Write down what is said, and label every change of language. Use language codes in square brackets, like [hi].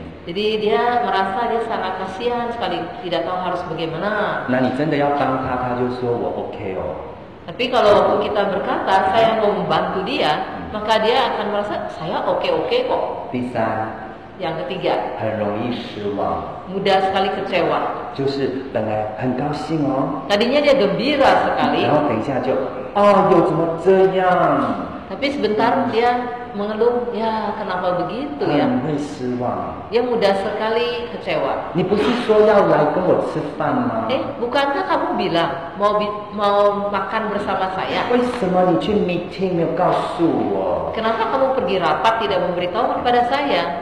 [id] Jadi dia merasa dia sangat kasihan sekali, tidak tahu harus bagaimana. [zh] Nah, 你真的要帮他, 他就说我 okay 哦. [id] Tapi kalau waktu kita berkata saya mau membantu dia, maka dia akan merasa saya oke-oke kok. Bisa. Yang ketiga. [zh] 很容易失望. [id] Mudah sekali kecewa. [zh] 就是本来很高兴哦. [id] Tadinya dia gembira sekali. [zh] 然后等一下就, aduh, 怎么这样? [id] Tapi sebentar dia mengeluh, ya kenapa begitu ya? [zh] 很会失望. [id] Dia mudah sekali kecewa. [zh] 你不是说要来跟我吃饭吗? [id] Bukankah kamu bilang mau makan bersama saya? [zh] 为什么你去meeting没有告诉我? [id] Kenapa kamu pergi rapat tidak memberitahu kepada saya?